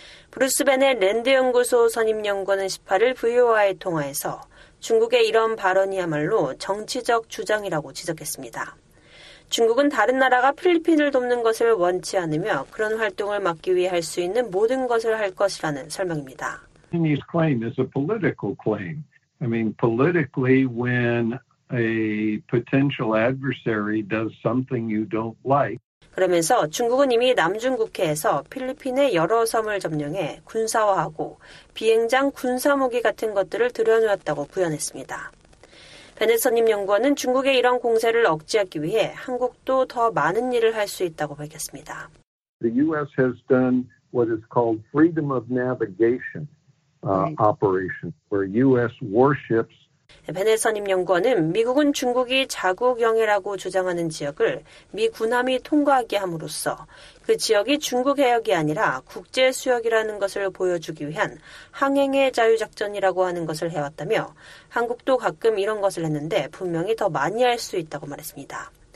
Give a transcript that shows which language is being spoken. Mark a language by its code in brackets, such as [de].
[ko] 브루스벤의 랜드연구소 선임연구원은 18일 VOA 통화에서 중국의 이런 발언이야말로 정치적 주장이라고 지적했습니다. 중국은 다른 나라가 필리핀을 돕는 것을 원치 않으며 그런 활동을 막기 위해 할 수 있는 모든 것을 할 것이라는 설명입니다. [en] His claim is a political claim. I mean, politically, when a potential adversary does something you don't like. [ko] 그러면서 중국은 이미 남중국해에서 필리핀의 여러 섬을 점령해 군사화하고 비행장 군사무기 같은 것들을 들여놓았다고 부연했습니다. 베넷 선임연구원은 중국의 이런 공세를 억제하기 위해 한국도 더 많은 일을 할 수 있다고 밝혔습니다. [en] The U.S. has done what is called freedom of navigation operation, where U.S. warships [ko] 베넷 선임연구원은 미국은 중국이 자국영해라고 주장하는 지역을 미 군함이 통과하게 함으로써 그 지역이 중국 해역이 아니라 국제수역이라는 것을 보여주기 위한 항행의 자유작전이라고 하는 것을 해왔다며 한국도 가끔 이런 것을 했는데 분명히 더 많이 할 수 있다고 말했습니다.